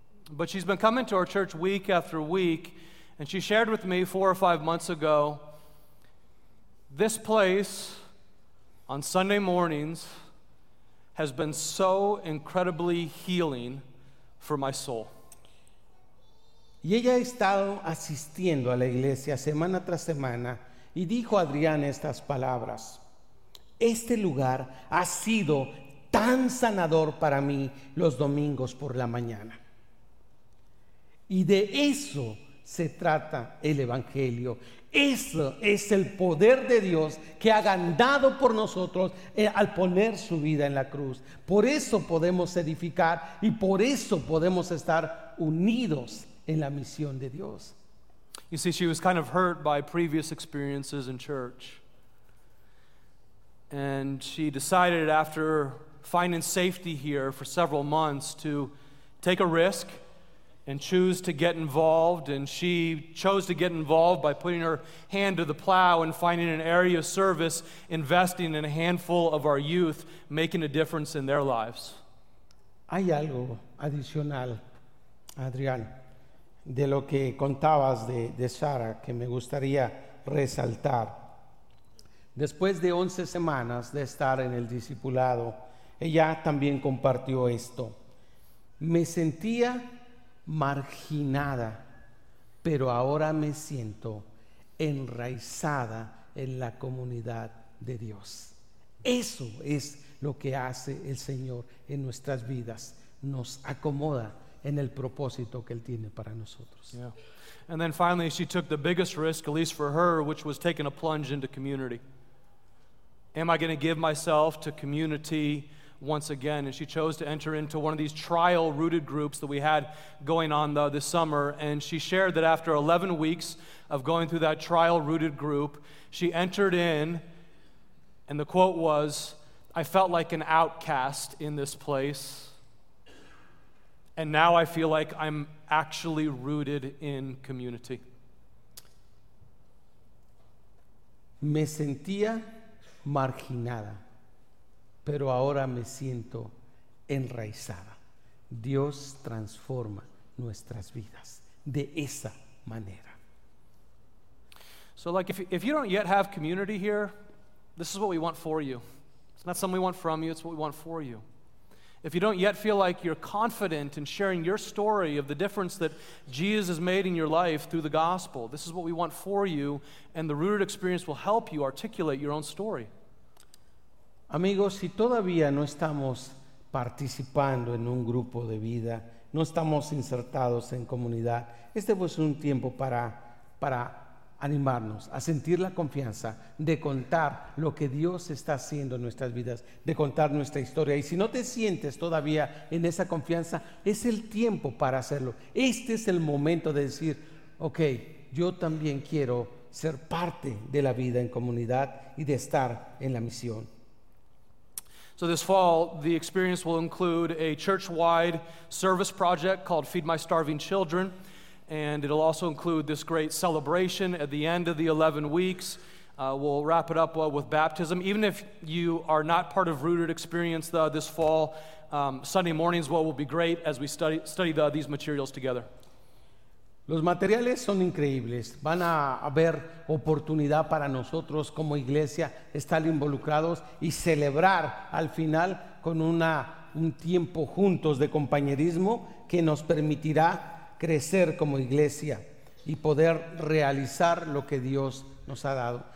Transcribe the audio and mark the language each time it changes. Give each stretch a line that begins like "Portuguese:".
English: But she's been coming to our church week after week, and she shared with me 4 or 5 months ago, this place on Sunday mornings has been so incredibly healing for my soul.
Spanish: Y ella ha estado asistiendo a la iglesia semana tras semana y dijo a Adrián estas palabras. Este lugar ha sido tan sanador para mí los domingos por la mañana. Y de eso se trata el Evangelio. Eso es el poder de Dios que ha ganado por nosotros al poner su vida en la cruz. Por eso podemos edificar y por eso podemos estar unidos en la misión de Dios.
English: You see, she was kind of hurt by previous experiences in church. And she decided after finding safety here for several months to take a risk and choose to get involved. And she chose to get involved by putting her hand to the plow and finding an area of service, investing in a handful of our youth, making a difference in their lives.
Spanish: Hay algo adicional, Adrián, de lo que contabas de Sara, que me gustaría resaltar. Después de 11 semanas de estar en el discipulado, ella también compartió esto. Me sentía marginada, pero ahora me siento enraizada en la comunidad de Dios. Eso es lo que hace el Señor en nuestras vidas. Nos acomoda en el propósito que Él tiene para nosotros.
English: Yeah. And then finally, she took the biggest risk, at least for her, which was taking a plunge into community. Am I going to give myself to community once again? And she chose to enter into one of these trial rooted groups that we had going on this summer. And she shared that after 11 weeks of going through that trial rooted group, she entered in, and the quote was, I felt like an outcast in this place. And now I feel like I'm actually rooted in community.
Spanish: Me sentía marginada, pero ahora me siento enraizada. Dios transforma nuestras vidas de esa manera.
English: So like if you don't yet have community here, this is what we want for you. It's not something we want from you, it's what we want for you. If you don't yet feel like you're confident in sharing your story of the difference that Jesus has made in your life through the gospel, this is what we want for you, and the rooted experience will help you articulate your own story.
Spanish: Amigos, si todavía no estamos participando en un grupo de vida, no estamos insertados en comunidad, este es un tiempo para animarnos a sentir la confianza de contar lo que Dios está haciendo en nuestras vidas, de contar nuestra historia. Y si no te sientes todavía en esa confianza, es el tiempo para hacerlo. Este es el momento de decir, ok, yo también quiero ser parte de la vida en comunidad y de estar en la misión.
English: So this fall, the experience will include a church-wide service project called Feed My Starving Children. And it'll also include this great celebration at the end of the 11 weeks. We'll wrap it up with baptism. Even if you are not part of Rooted Experience this fall, Sunday mornings will be great as we study these materials together.
Spanish: Los materiales son increíbles. Van a haber oportunidad para nosotros como iglesia estar involucrados y celebrar al final con un tiempo juntos de compañerismo que nos permitirá crecer como iglesia y poder realizar lo que Dios nos ha dado.